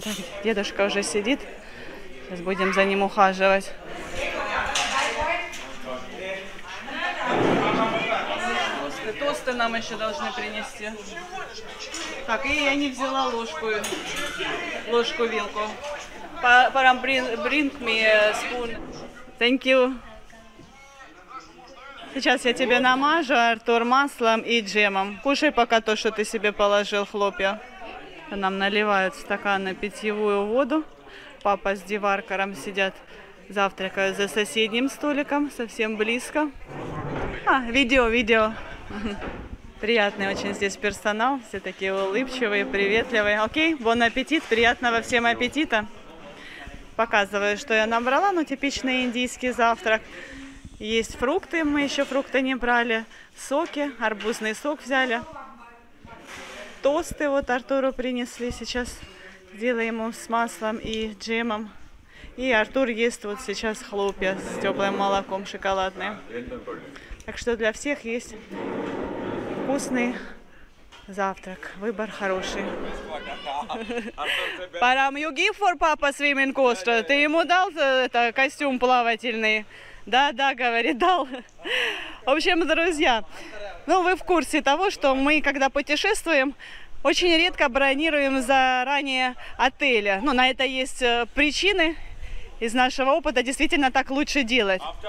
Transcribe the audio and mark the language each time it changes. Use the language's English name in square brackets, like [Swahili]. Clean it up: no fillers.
[Russian] Так, дедушка уже сидит. Сейчас будем за ним ухаживать. Тосты нам еще должны принести. Так, и я не взяла ложку-вилку. [English] Парам, bring me a spoon. Thank you. [Russian] Сейчас я тебе намажу, Артур, маслом и джемом. Кушай пока то, что ты себе положил, хлопья. Нам наливают в стаканы питьевую воду. Папа с Диваркаром сидят, завтракают за соседним столиком, совсем близко. А, видео. Приятный очень здесь персонал, все такие улыбчивые, приветливые. Окей, бон аппетит, приятного всем аппетита. Показываю, что я набрала, ну, типичный индийский завтрак. Есть фрукты, мы еще фрукты не брали, соки, арбузный сок взяли. Тосты вот Артуру принесли, сейчас сделаем ему с маслом и джемом. И Артур ест вот сейчас хлопья с теплым молоком шоколадным. Так что для всех есть вкусный завтрак. Выбор хороший. [English] Парам, you give for [Russian] папа [English] swimming costume? [Russian] Ты ему дал это, костюм плавательный? Да, да, говорит, дал. В общем, друзья, ну вы в курсе того, что мы, когда путешествуем, очень редко бронируем заранее отели. Ну, на это есть причины. Из нашего опыта действительно так лучше делать.